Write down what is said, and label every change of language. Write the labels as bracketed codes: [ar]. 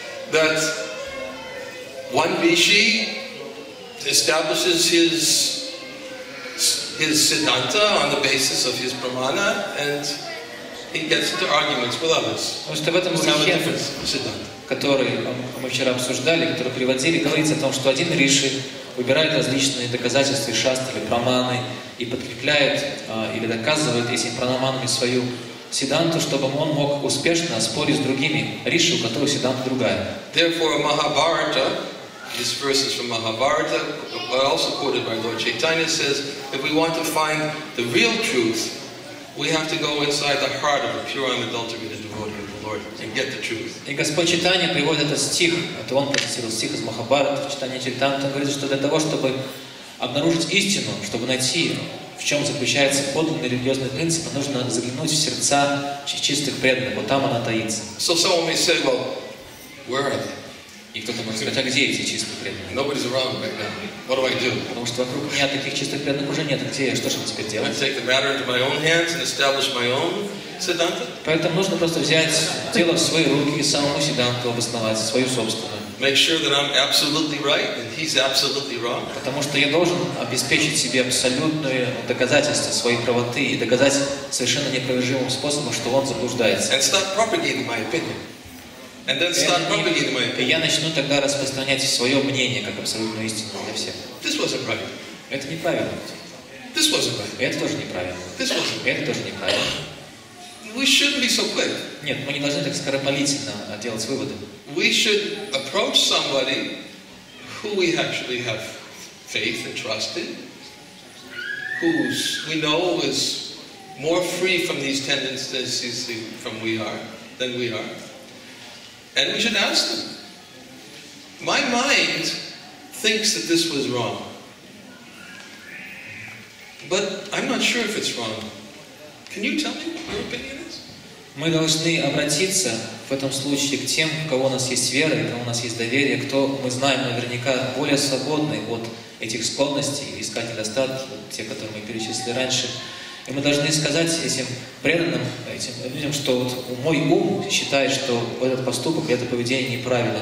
[en] That one rishi establishes his siddhanta on the basis of his pramana and he gets into arguments with others. [ru] Что в этом стихе, который мы вчера обсуждали, который приводили, говорится о том, что один риши выбирает различные доказательства, шастры, праманы, и подкрепляет или доказывает этими пранаманами свою Сиддханту, чтобы он мог успешно спорить с другими риши, у которых Сиддханта другая. [en] Therefore, Mahabharata, this verse is from Mahabharata, but also quoted by Lord Chaitanya, says, if we want to find the real truth, we have to go inside the heart of a pure unadulterated devotee of the Lord and get the truth. [ru] И Господь Чайтанья приводит этот стих, это он процитировал стих из Махабхараты, Чайтанья Чаритамрита, говорит, что для того, чтобы обнаружить истину, чтобы найти ее, в чем заключается подлинный религиозный принцип, нужно заглянуть в сердца чистых преданных, вот там она таится. [en] So someone may say, well, where are they? [ru] И кто-то может сказать, а где эти чистые преданные? [en] Nobody's around right now. What do I do? [ru] Потому что вокруг меня таких чистых преданных уже нет. Где я? Что же мне теперь делать? [en] I take the matter into my own hands and establish my own siddhanta. [ru] Поэтому нужно просто взять дело в свои руки и самому сиддханту обосновать свою собственную. [en] Make sure that I'm absolutely right and he's absolutely wrong. [ru] Потому что я должен обеспечить себе абсолютное доказательство своей правоты и доказать совершенно неопровержимым способом, что он заблуждается. [en] And start propagating my opinion. And then start propagating my opinion. [ru] И я начну тогда распространять свое мнение как абсолютную истину для всех. [en] This wasn't right. [ru] Это неправильно. [en] This wasn't right. [ru] Это тоже неправильно. [en] This wasn't right. [ru] Это тоже неправильно. [en] We shouldn't be so quick. [ru] Нет, мы не должны так скоропалительно делать выводы. [en] We should approach somebody who we actually have faith and trust in, who we know is more free from these tendencies from we are than we are. And we should ask them. My mind thinks that this was wrong. But I'm not sure if it's wrong. Can you tell me what your opinion is? [ru] Мы должны обратиться в этом случае к тем, у кого у нас есть вера, у кого у нас есть доверие, кто, мы знаем, наверняка более свободный от этих склонностей искать недостатки, вот те, которые мы перечислили раньше. И мы должны сказать этим преданным, этим людям, что вот мой ум считает, что этот поступок, это поведение неправильно.